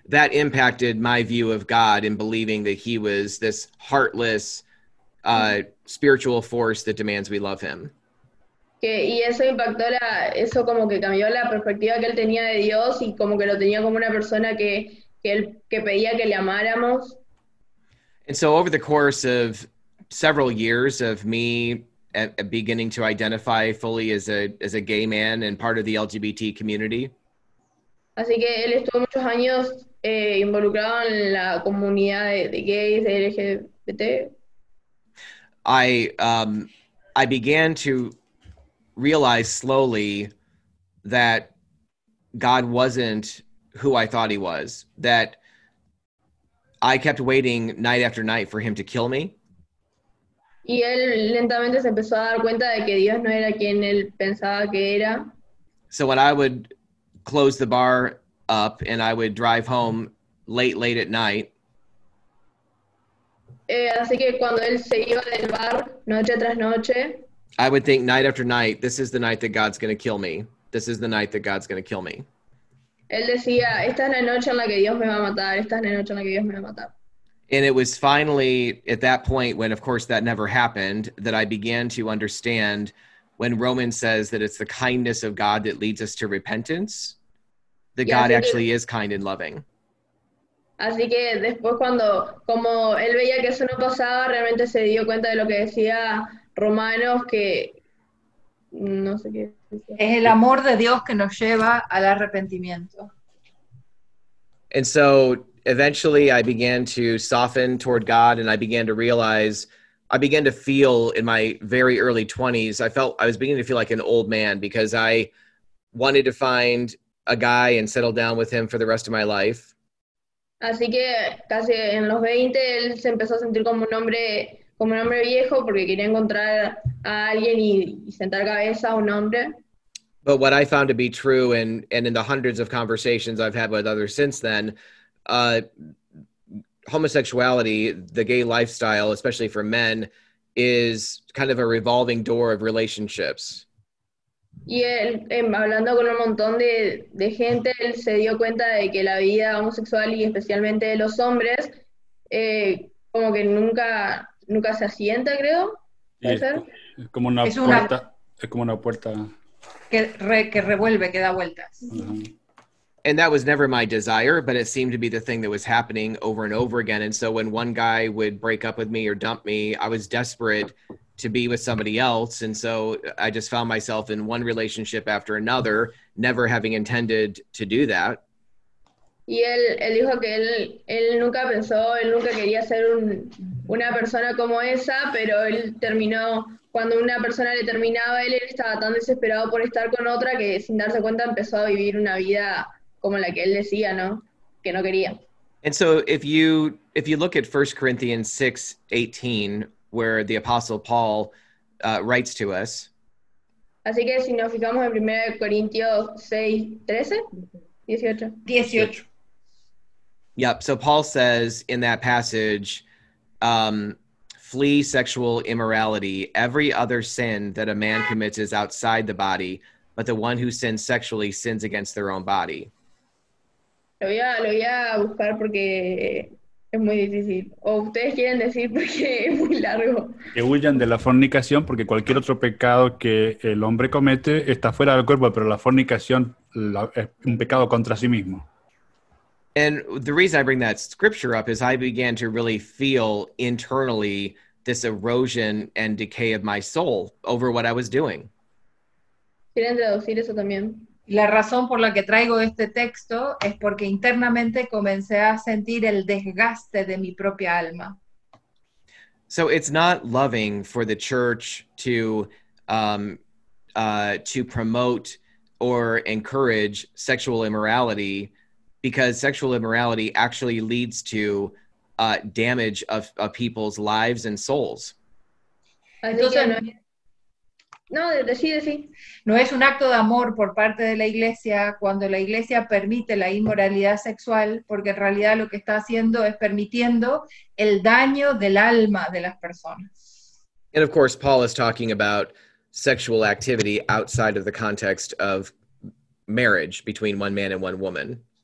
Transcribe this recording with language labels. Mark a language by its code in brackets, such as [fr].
[en] That impacted my view of God in believing that he was this heartless spiritual force that demands we love him. [es] Que, y eso impactó eso como que cambió la perspectiva que él tenía de Dios y como que lo tenía como una persona que pedía que le amáramos. [en] And so over the course of several years of me beginning to identify fully as a gay man and part of the LGBT community. [es] Así que él estuvo muchos años involucrado en la comunidad de gays, de LGBT. [en] I began to realize slowly that God wasn't who I thought he was, that I kept waiting night after night for him to kill me. [es] Y él lentamente se empezó a dar cuenta de que Dios no era quien él pensaba que era. [en] So when I would close the bar up and I would drive home late, late at night. [es] Así que cuando él se iba del bar noche tras noche. [en] I would think night after night, this is the night that God's going to kill me. This is the night that God's going to kill me. [es] Él decía, esta es la noche en la que Dios me va a matar. Esta es la noche en la que Dios me va a matar. [en] And it was finally at that point when, of course, that never happened, that I began to understand when Romans says that it's the kindness of God that leads us to repentance, that God actually is kind and loving. [es] Así que después cuando, como él veía que eso no pasaba, realmente se dio cuenta de lo que decía Romanos, que no sé qué. Es el amor de Dios que nos lleva al arrepentimiento. [en] And so eventually, I began to soften toward God, and I began to feel in my very early 20s, I was beginning to feel like an old man because I wanted to find a guy and settle down with him for the rest of my life. [es] Así que casi en los 20, él se empezó a sentir como un hombre viejo porque quería encontrar a alguien y sentar cabeza a un hombre. [en] But what I found to be true, and in the hundreds of conversations I've had with others since then, homosexuality, the gay lifestyle, especially for men, is kind of a revolving door of relationships. [es] Y él, hablando con un montón de gente, él se dio cuenta de que la vida homosexual y especialmente de los hombres, como que nunca se asienta, creo. Es como una puerta, es como una puerta que revuelve, que da vueltas. [en] And that was never my desire, but it seemed to be the thing that was happening over and over again. And so when one guy would break up with me or dump me, I was desperate to be with somebody else. And so I just found myself in one relationship after another, never having intended to do that. [es] Y él dijo que él nunca pensó, él nunca quería ser una persona como esa, pero él terminó, cuando una persona le terminaba, él estaba tan desesperado por estar con otra que sin darse cuenta empezó a vivir una vida como la que él decía, ¿no? Que no quería. [en] And so if you look at 1 Corinthians 6:18, where the Apostle Paul writes to us. [es] Así que si nos fijamos en 1 Corintios 6:18. [en] Yep, so Paul says in that passage, flee sexual immorality. Every other sin that a man commits is outside the body, but the one who sins sexually sins against their own body. [es] Lo voy a buscar porque es muy difícil. O ustedes quieren decir porque es muy largo. Que huyan de la fornicación porque cualquier otro pecado que el hombre comete está fuera del cuerpo, pero la fornicación es un pecado contra sí mismo. [en] And the reason I bring that scripture up is I began to really feel internally this erosion and decay of my soul over what I was doing. [es] ¿Quieren traducir eso también? La razón por la que traigo este texto es porque internamente comencé a sentir el desgaste de mi propia alma. So it's not loving for the church to promote or encourage sexual immorality, because sexual immorality actually leads to damage of people's lives and souls. No, no es un acto de amor por parte de la iglesia cuando la iglesia permite la inmoralidad sexual, porque en realidad lo que está haciendo es permitiendo el daño del alma de las personas. [en] And of course, Paul is talking about sexual activity outside of the context of marriage between one man and one woman.